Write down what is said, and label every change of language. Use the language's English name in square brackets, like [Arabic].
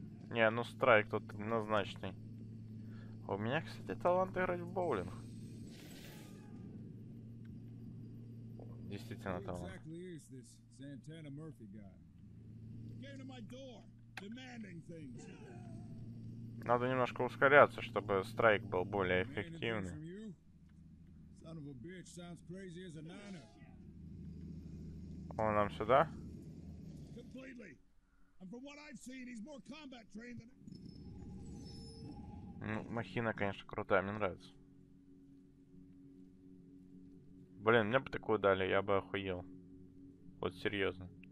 [Russian] Не, ну страйк тут однозначный. У меня, кстати, талант играть в боулинг. Действительно талант. [English] This Santana Murphy guy came to my door demanding things. [Russian] Надо немножко ускоряться, чтобы страйк был более эффективный. [English] Son of a bitch sounds crazy as a niner. [Russian] Он нам сюда? [English] Completely. And from what I've seen, he's more combat trained than... [Russian] Ну, махина, конечно, крутая, мне нравится. Блин, мне бы такую дали, я бы охуел. Вот серьезно.